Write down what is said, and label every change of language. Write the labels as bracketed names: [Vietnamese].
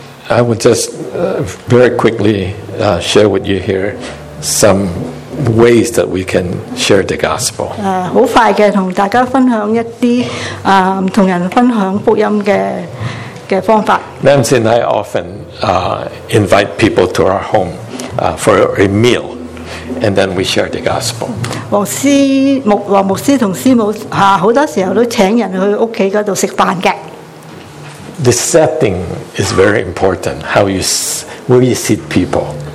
[English] I would just very quickly share with you here some ways that we can share the gospel. [Chinese] 很快地跟大家分享一些跟人分享福音的方法。 [English] Nancy and I often invite people to our home for a meal, and then we share the gospel. [Chinese] 黃牧師和師母很多時候都請人去家裡吃飯的。 [English] The setting is very important, how you, where you seat people.